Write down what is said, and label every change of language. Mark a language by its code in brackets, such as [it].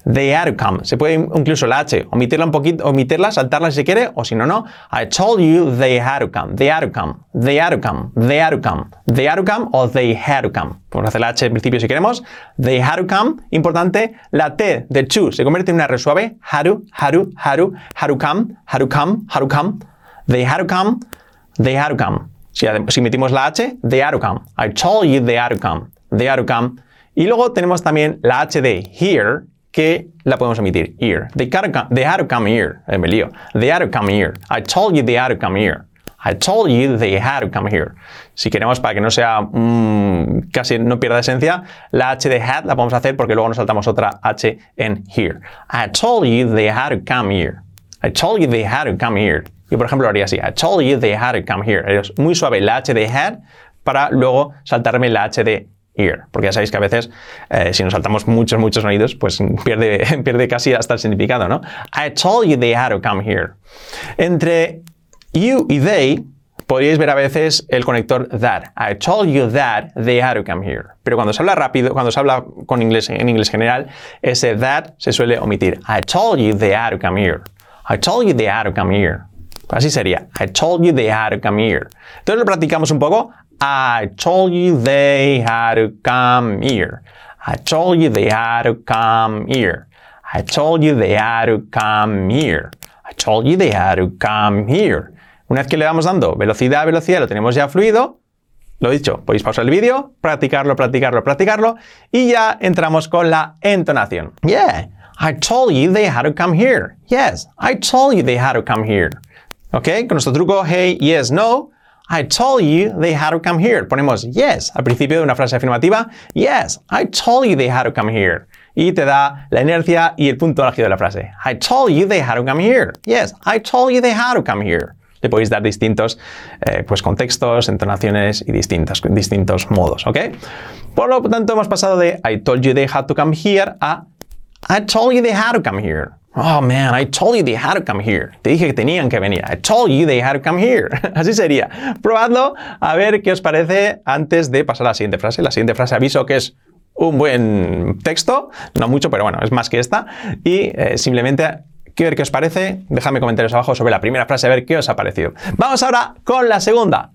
[en] had to come, [es] se puede incluso la H, omitirla un poquito, omitirla, saltarla si se quiere, o si no, no, [en] I told you they had to come, they had to come, they had to come, they had to come, they had to come, o they had to come, [es] podemos hacer la H en principio si queremos, [en] they had to come, [es] importante, la T de to se convierte en una R suave, [en] had to, had to, had to, had to come, had to come, had to come, they had to come, they had to come. [es] Si metimos la H, [en] they had to come. I told you they had to come. They had to come. [es] Y luego tenemos también la H de here, que la podemos omitir. [en] Here. They had to come here. [es] Me lío. [en] They had to come here. I told you they had to come here. I told you they had to come here. [es] Si queremos, para que no sea casi no pierda esencia, la H de had la podemos hacer porque luego nos saltamos otra H en here. [en] I told you they had to come here. I told you they had to come here. [es] Yo, por ejemplo, lo haría así. [en] I told you they had to come here. [es] Es muy suave la H de had para luego saltarme la H de here. Porque ya sabéis que a veces, si nos saltamos muchos, muchos sonidos, pues pierde casi hasta el significado, ¿no? [en] I told you they had to come here. [es] Entre you y they, podríais ver a veces el conector that. [en] I told you that they had to come here. [es] Pero cuando se habla rápido, cuando se habla con inglés, en inglés general, ese that se suele omitir. [en] I told you they had to come here. I told you they had to come here. [es] Así sería. [en] I told you they had to come here. [es] Entonces lo practicamos un poco. [en] I told you they had to come here. I told you they had to come here. I told you they had to come here. I told you they had to come here. [es] Una vez que le vamos dando velocidad a velocidad, lo tenemos ya fluido. Lo dicho, podéis pausar el vídeo, practicarlo, practicarlo, practicarlo. Y ya entramos con la entonación. [en] Yeah, I told you they had to come here. Yes, I told you they had to come here. ¿Ok? [es] Con nuestro truco, [en] hey, yes, no, I told you they had to come here. [es] Ponemos yes al principio de una frase afirmativa. [en] Yes, I told you they had to come here. [es] Y te da la inercia y el punto álgido de la frase. [en] I told you they had to come here. Yes, I told you they had to come here. [es] Le podéis dar distintos contextos, entonaciones y distintos modos, ¿ok? Por lo tanto, hemos pasado de [en] I told you they had to come here a I told you they had to come here. Oh man, I told you they had to come here. [es] Te dije que tenían que venir. [en] I told you they had to come here. [es] Así sería. Probadlo a ver qué os parece antes de pasar a la siguiente frase. La siguiente frase aviso que es un buen texto. No mucho, pero bueno, es más que esta. Y simplemente, ¿qué ver qué os parece? Dejadme comentarios abajo sobre la primera frase a ver qué os ha parecido. Vamos ahora con la segunda.